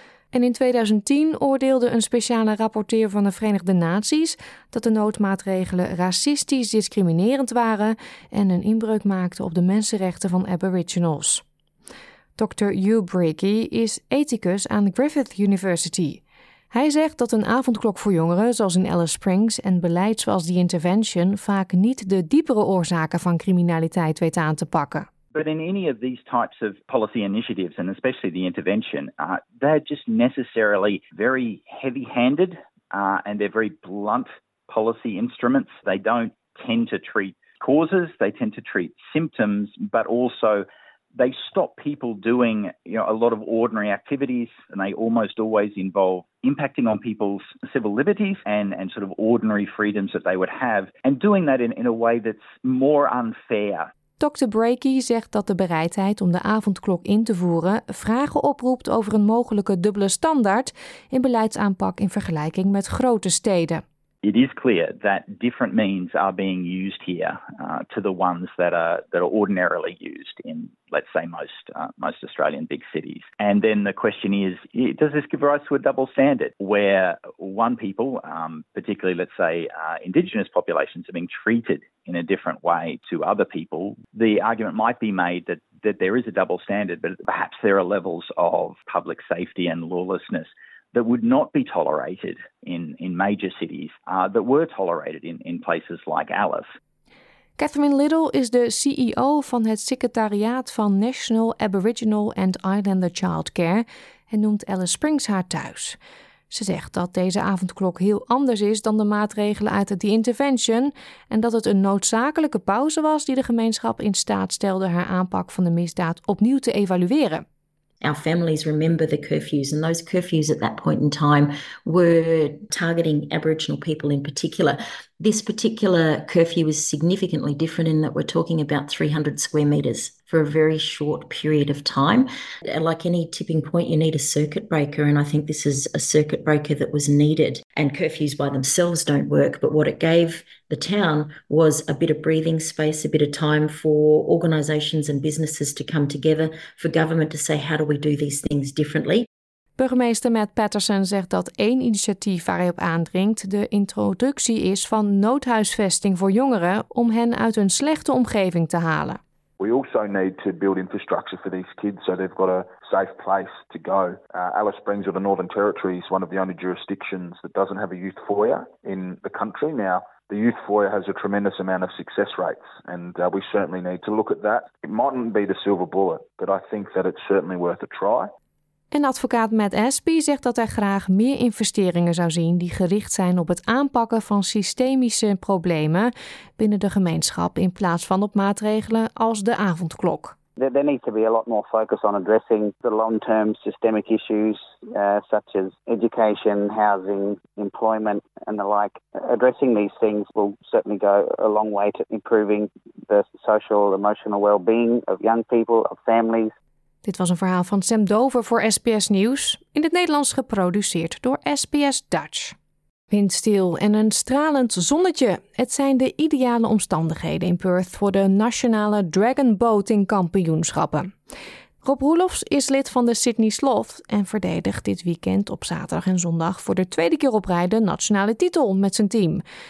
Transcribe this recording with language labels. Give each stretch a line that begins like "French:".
Dutch: En in 2010 oordeelde een speciale rapporteur van de Verenigde Naties dat de noodmaatregelen racistisch discriminerend waren en een inbreuk maakten op de mensenrechten van Aboriginals. Dr. Hugh Breakey is ethicus aan Griffith University. Hij zegt dat een avondklok voor jongeren, zoals in Alice Springs, en beleid zoals The Intervention vaak niet de diepere oorzaken van criminaliteit weet aan te pakken.
English: But in any of these types of policy initiatives, and especially The Intervention, they're just necessarily very heavy-handed, and they're very blunt policy instruments. They don't tend to treat causes, they tend to treat symptoms, but also they stop people doing, you know, a lot of ordinary activities, and they almost always involve impacting on people's civil liberties and sort of ordinary freedoms that they would have, and doing that in a way that's more unfair.
Dutch: Dr. Breakey zegt dat de bereidheid om de avondklok in te voeren vragen oproept over een mogelijke dubbele standaard in beleidsaanpak in vergelijking met grote steden.
English: It is clear that different means are being used here to the ones that are ordinarily used in, let's say, most Australian big cities. And then the question is, does this give rise to a double standard where one people, particularly, let's say, Indigenous populations are being treated in a different way to other people? The argument might be made that there is a double standard, but perhaps there are levels of public safety and lawlessness that would not be tolerated in major cities, that were tolerated in places like Alice.
Dutch: Catherine Little is de CEO van het secretariaat van National Aboriginal and Islander Childcare en noemt Alice Springs haar thuis. Ze zegt dat deze avondklok heel anders is dan de maatregelen uit de Intervention en dat het een noodzakelijke pauze was die de gemeenschap in staat stelde haar aanpak van de misdaad opnieuw te evalueren.
English: Our families remember the curfews, and those curfews at that point in time were targeting Aboriginal people in particular. This particular curfew is significantly different in that we're talking about 300 square metres for a very short period of time. Like any tipping point, you need a circuit breaker, and I think this is a circuit breaker that was needed. And curfews by themselves don't work, but what it gave the town was a bit of breathing space, a bit of time for organisations and businesses to come together, for government to say, how do we do these things differently?
Dutch: Burgemeester Matt Patterson zegt dat één initiatief waar hij op aandringt de introductie is van noodhuisvesting voor jongeren om hen uit een slechte omgeving te halen.
English: We also need to build infrastructure for these kids so they've got a safe place to go. Alice Springs or the Northern Territory is one of the only jurisdictions that doesn't have a youth foyer in the country. Now, the youth foyer has a tremendous amount of success rates, and we certainly need to look at that. It mightn't be the silver bullet, but I think that it's certainly worth a try.
Dutch: En advocaat Matt Espy zegt dat hij graag meer investeringen zou zien die gericht zijn op het aanpakken van systemische problemen binnen de gemeenschap in plaats van op maatregelen als de avondklok.
English: There needs to be a lot more focus on addressing the long-term systemic issues such as education, housing, employment and the like. Addressing these things will certainly go a long way to improving the social emotional well-being of young people, of families.
Dutch: Dit was een verhaal van Sam Dover voor SBS Nieuws, in het Nederlands geproduceerd door SBS Dutch. Windstil en een stralend zonnetje. Het zijn de ideale omstandigheden in Perth voor de nationale Dragon Boating kampioenschappen. Rob Roelofs is lid van de Sydney Sloth en verdedigt dit weekend op zaterdag en zondag voor de tweede keer op rij de nationale titel met zijn team.